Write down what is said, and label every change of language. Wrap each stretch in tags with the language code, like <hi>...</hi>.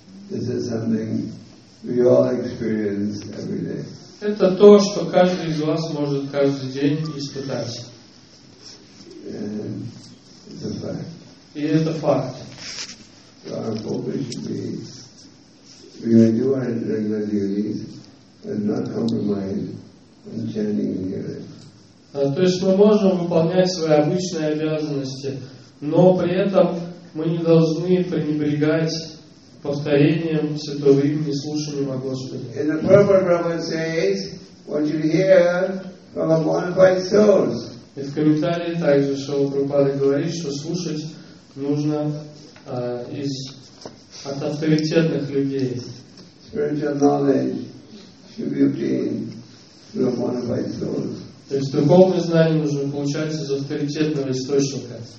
<en>This is something we all experience every day.</en> <ru>Это то, что каждый из вас может каждый день испытать.</ru> <en>It's a fact.</en> <ru>И это факт.</ru> <en>So our focus should be, we may do our regular duties and not compromise on chanting and hearing.</en> <ru>То есть мы можем выполнять свои обычные обязанности, но при этом мы не должны пренебрегать повторением святого имени, слушанием о Господе.</ru> <en>In the purple Brahma says, what you hear from a bonafide source.</en> <ru>И в комментарии также Шрила Прабхупада говорит, что слушать нужно от авторитетных людей.</ru> <en>Spiritual knowledge should be obtained from a bonafide source.</en> <ru>То есть духовное знание нужно получать из авторитетного источника.</ru>